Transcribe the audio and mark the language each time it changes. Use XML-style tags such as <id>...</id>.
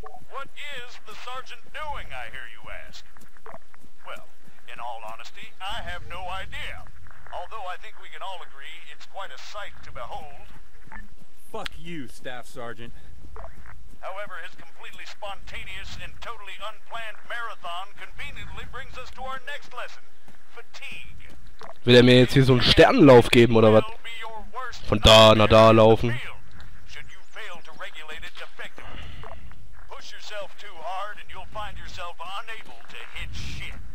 <en>What is the Sergeant doing, I hear you ask? Well, in all honesty, I have no idea. Although I think we can all agree, it's quite a sight to behold. Fuck you, Staff Sergeant. However, his completely spontaneous and totally unplanned marathon conveniently brings us to our next lesson. Fatigue.</en> <de>Will er mir jetzt hier so einen Sternenlauf geben, oder was? Von da nach da laufen.</de> <en>Should you fail to regulate it effectively, push yourself too hard and you'll find yourself unable to hit shit.</en>